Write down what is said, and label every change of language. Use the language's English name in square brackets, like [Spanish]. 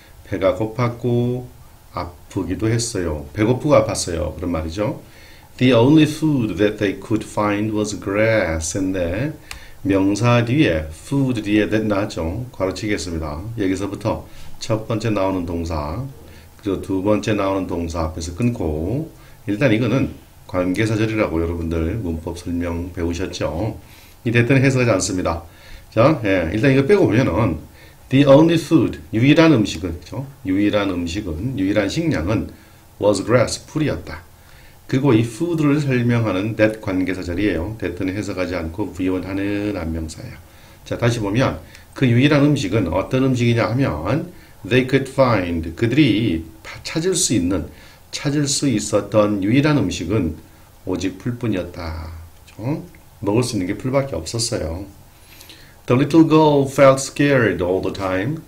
[Korean] 배가 고팠고 아프기도 했어요. 배고프고 아팠어요. 그런 말이죠. [English] The only food that they could find was grass. [Korean] 인데 명사 뒤에 food 뒤에 that 나죠. 괄호치겠습니다. 여기서부터 첫 번째 나오는 동사 그리고 두 번째 나오는 동사 앞에서 끊고 일단 이거는 관계사절이라고 여러분들 문법 설명 배우셨죠. 이 대뜸 해석하지 않습니다. 자, 예, 일단 이거 빼고 보면은 [English] the only food [Korean] 유일한 음식은 그렇죠? 유일한 음식은 유일한 식량은 [English] was grass [Korean] 풀이었다. 그리고 이 food를 설명하는 that 관계사절이에요. 대뜸 해석하지 않고 부연하는 안명사예요. 자, 다시 보면 그 유일한 음식은 어떤 음식이냐 하면 [English] they could find [Korean] 그들이 찾을 수 있는 찾을 수 있었던 유일한 음식은 오직 풀뿐이었다. 그렇죠? 먹을 수 있는 게 풀밖에 없었어요. [English] The little girl felt scared all the time.